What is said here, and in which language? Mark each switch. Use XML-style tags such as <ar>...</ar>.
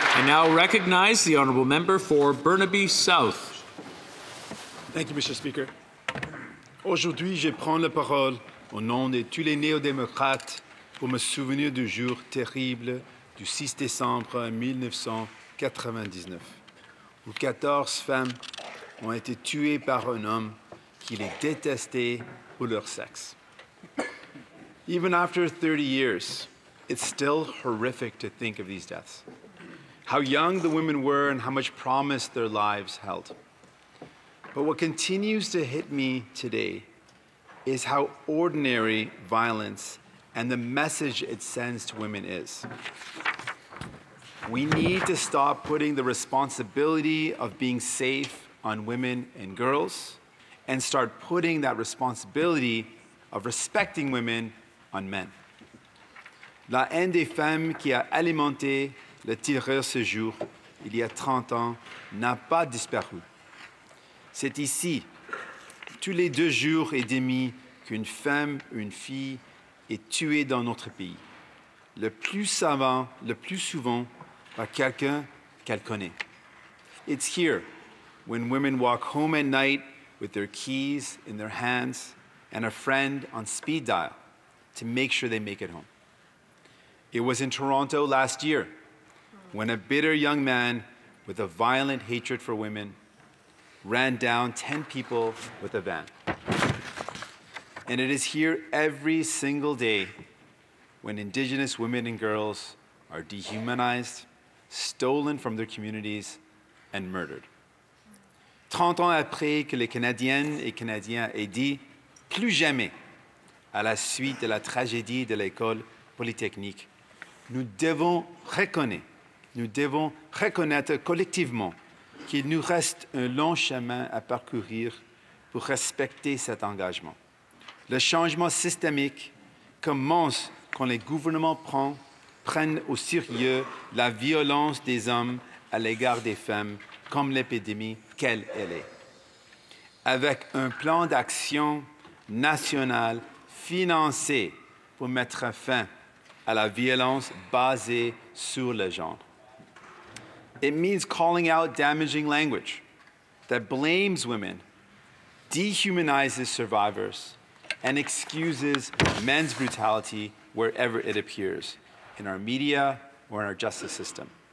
<en>I'll recognize the honourable member for Burnaby South. Thank you, Mr. Speaker.</en> <fr>Aujourd'hui, je prends la parole au nom de tous les néo-démocrates pour me souvenir du jour terrible du 6 décembre 1999, où 14 femmes ont été tuées par un homme qu'il est détesté pour leur sexe.</fr> <en>Even after 30 years, it's still horrific to think of these deaths. How young the women were and how much promise their lives held. But what continues to hit me today is how ordinary violence and the message it sends to women is. We need to stop putting the responsibility of being safe on women and girls and start putting that responsibility of respecting women on men.</en> <fr>La haine des femmes qui a alimenté le tireur ce jour, il y a 30 ans, n'a pas disparu. C'est ici, tous les deux jours et demi, qu'une femme, une fille est tuée dans notre pays. Le plus souvent, par quelqu'un qu'elle connaît.</fr> <en>It's here, when women walk home at night with their keys in their hands and a friend on speed dial to make sure they make it home. It was in Toronto last year when a bitter young man with a violent hatred for women ran down 10 people with a van. And it is here every single day when Indigenous women and girls are dehumanized, stolen from their communities, and murdered.</en> <fr>30 ans après que les Canadiennes et Canadiens aient dit plus jamais à la suite de la tragédie de l'école polytechnique, nous devons reconnaître collectivement qu'il nous reste un long chemin à parcourir pour respecter cet engagement. Le changement systémique commence quand les gouvernements prennent au sérieux la violence des hommes à l'égard des femmes comme l'épidémie qu'elle est. Avec un plan d'action national financé pour mettre fin à la violence basée sur le genre.</fr> <en>It means calling out damaging language that blames women, dehumanizes survivors, and excuses men's brutality wherever it appears, in our media or in our justice system.</en>